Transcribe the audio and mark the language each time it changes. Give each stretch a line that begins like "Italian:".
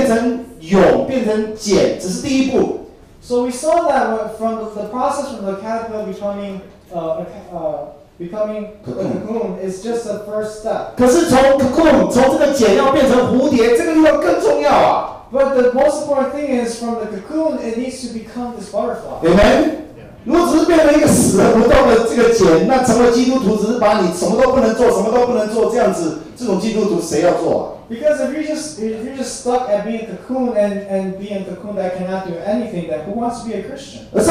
Chinese: 你看哈，这个毛毛虫变成蛹，变成茧，只是第一步。
English: So we saw that from the process from the caterpillar becoming cocoon is just the first step.
Chinese: 可是从 cocoon 从这个茧要变成蝴蝶，这个地方更重要啊。But
English: the most important thing is from the cocoon it needs to become this butterfly. Amen.
Chinese: 如果只是变成一个死而不动的这个茧，那成为基督徒只是把你什么都不能做，什么都不能做这样子，这种基督徒谁要做啊？
English: Because if you just stuck at being a cocoon and being a cocoon that cannot do anything, then who wants to be a Christian?